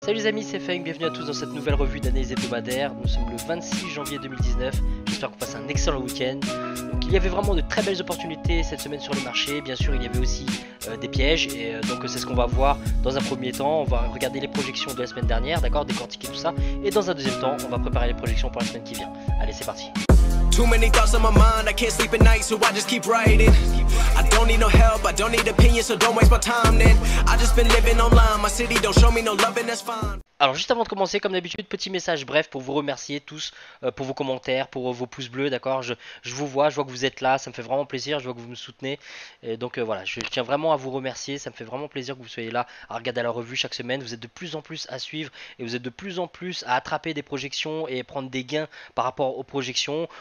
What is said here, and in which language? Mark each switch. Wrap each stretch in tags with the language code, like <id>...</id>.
<fr>Salut les amis, c'est Feng, bienvenue à tous dans cette nouvelle revue d'analyse hebdomadaire. Nous sommes le 26 janvier 2019, j'espère qu'on passe un excellent week-end. Donc il y avait vraiment de très belles opportunités cette semaine sur le marché, bien sûr il y avait aussi des pièges, et donc c'est ce qu'on va voir dans un premier temps. On va regarder les projections de la semaine dernière, d'accord, décortiquer tout ça, et dans un deuxième temps, on va préparer les projections pour la semaine qui vient. Allez, c'est parti.</fr> <en>Too many thoughts on my mind, I can't sleep at night, so I just keep writing. I don't need no help, I don't need opinions, so don't waste my time then. I just been living online, my city don't show me no love and that's fine.</en> <fr>Alors juste avant de commencer, comme d'habitude, petit message bref pour vous remercier tous pour vos commentaires, pour vos pouces bleus, d'accord. Je vous vois, je vois que vous êtes là, ça me fait vraiment plaisir, je vois que vous me soutenez. Et donc voilà, je tiens vraiment à vous remercier, ça me fait vraiment plaisir que vous soyez là à regarder la revue chaque semaine. Vous êtes de plus en plus à suivre et vous êtes de plus en plus à attraper des projections et prendre des gains par rapport aux projections.</fr>